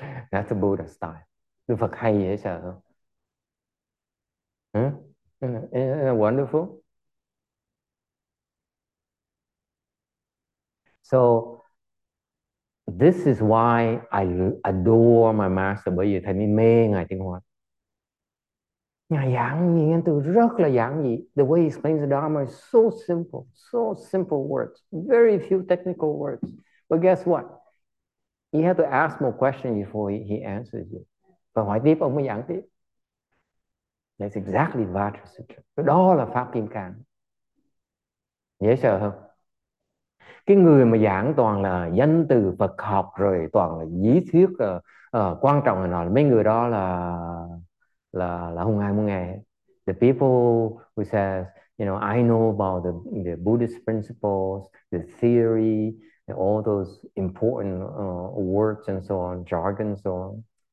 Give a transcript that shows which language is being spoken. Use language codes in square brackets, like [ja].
[en] That's the Buddha style. The [vi] Phật hay dễ sợ. [en] Isn't that wonderful? So, this is why I adore my master. [vi] Bởi vì thầy mới mê Ngài Tiếng Hoa. Ngài giảng nguyên từ rất là giản dị. [en] The way he explains the Dharma is so simple words, very few technical words. But guess what? You have to ask more questions before he answers you. [vi] Và hỏi tiếp ông mới giảng tiếp. [en] That's exactly Vajra Sutra. [vi] Đó là Pháp Kim Cang. Dễ sợ không? Cái người mà giảng toàn là danh từ Phật học rồi toàn là lý thuyết quan trọng rồi nọ, mấy người đó là không ai muốn nghe. [en] The people who says, you know, I know about the Buddhist principles, the theory, all those important words and so on, jargon and so on.